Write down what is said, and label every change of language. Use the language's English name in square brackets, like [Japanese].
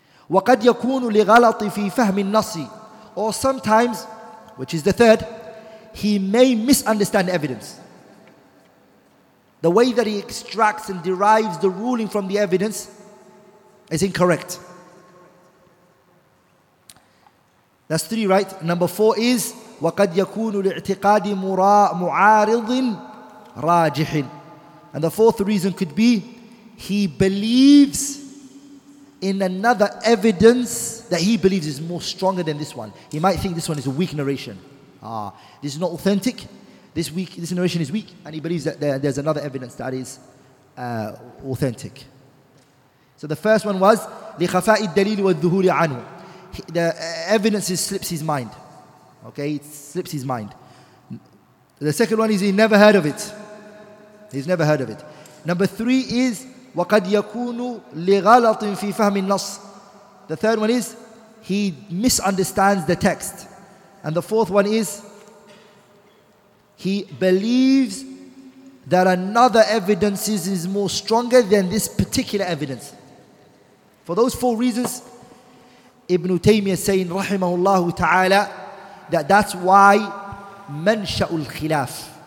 [Arabic] وَقَدْ يَكُونُ لِغَلَطِ فِي فَهْمِ النَّصِ. [English] Or sometimes, which is the third, he may misunderstand evidence. The way that he extracts and derives the ruling from the evidence is incorrect. That's three, right? Number four is [Arabic] وَقَدْ يَكُونُ لِاعْتِقَادِ مُعَارِضٍ رَاجِحٍ. [English] And the fourth reason could be he believes in another evidence that he believes is more stronger than this one. He might think this one is a weak narration. This is not authentic. This narration is weak, and he believes that there's another evidence that is authentic. So the first one was [Arabic] لِخَفَاءِ الدَّلِيلِ وَالذُّهُولِ عَنْهُ. [English] The evidence slips his mind. Okay, it slips his mind. The second one is he never heard of it. He's never heard of it. Number three is [Arabic] وَقَدْ يَكُونُ لِغَلَطٍ فِي فَهْمِ النَّصِ. [English] The third one is he misunderstands the text. And the fourth one is he believes that another evidence is more stronger than this particular evidence. For those four reasons, Ibn Taymiyyah saying, rahimahullah ta'ala, that's why manshaul al-khilaf.